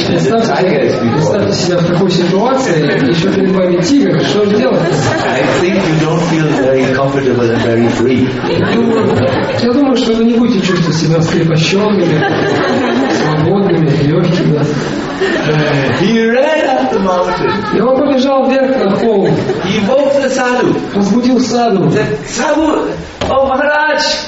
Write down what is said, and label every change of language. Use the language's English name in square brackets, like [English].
[Russian] Представьте себя в такой ситуации, еще перед вами тигр, что же делать? [English] I think you don't feel very comfortable and very free. [Russian] Я думаю, что вы не будете чувствовать себя скрепощенными, свободными, легкими. [English] He ran up the mountain. [Russian] И он побежал вверх на холм. [English] He woke the sadhu. [Russian] Разбудил саду. [English] The sadhu, о Махарадж!